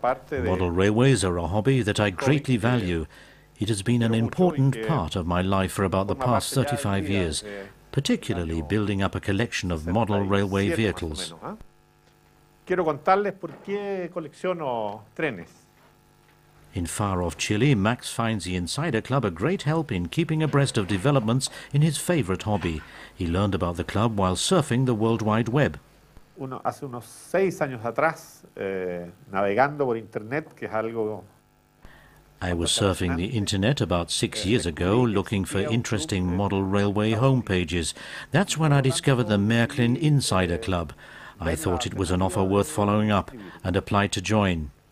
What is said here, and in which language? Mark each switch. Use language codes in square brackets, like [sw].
[en] Model railways are a hobby that I greatly value. It has been an important part of my life for about the past 35 years, particularly building up a collection of model railway vehicles. [es] Quiero contarles por qué colecciono trenes. [en] In far-off Chile, Max finds the Insider Club a great help in keeping abreast of developments in his favorite hobby. He learned about the club while surfing the World Wide Web. [es] Hace unos seis años atrás, navegando por Internet, que es algo... [en] I was surfing the internet about 6 years ago, looking for interesting model railway homepages. That's when I discovered the Marklin Insider Club. I thought it was an offer worth following up and applied to join.